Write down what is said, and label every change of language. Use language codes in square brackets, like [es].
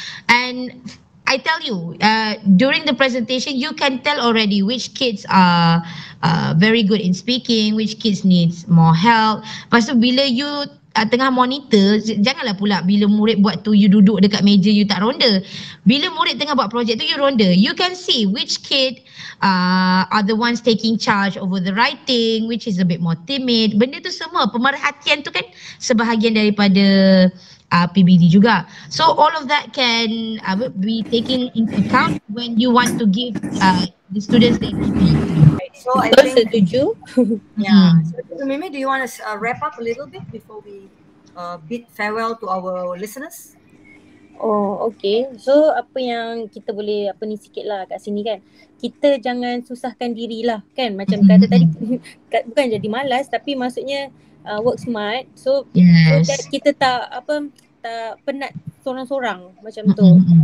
[en] And I tell you, during the presentation, you can tell already which kids are very good in speaking, which kids needs more help. [ms] Lepas tu bila you tengah monitor, janganlah pula bila murid buat tu, you duduk dekat meja, you tak ronda. Bila murid tengah buat projek tu, you ronda. [en] You can see which kid are the ones taking charge over the writing, which is a bit more timid. [ms] Benda tu semua, pemerhatian tu kan sebahagian daripada PBD juga. [en] So all of that can be taken into account when you want to give the students the PBD. So I think [ms] setuju. [en] Yeah. So Mimi, do you want to wrap up a little bit before we bid farewell to our listeners? Oh, okay. [ms] So apa yang kita boleh sikit lah kat sini kan. Kita jangan susahkan dirilah kan. Macam kata tadi, bukan jadi malas tapi maksudnya work smart. So, [en] yes. [ms] So kita tak penat sorang-sorang macam tu.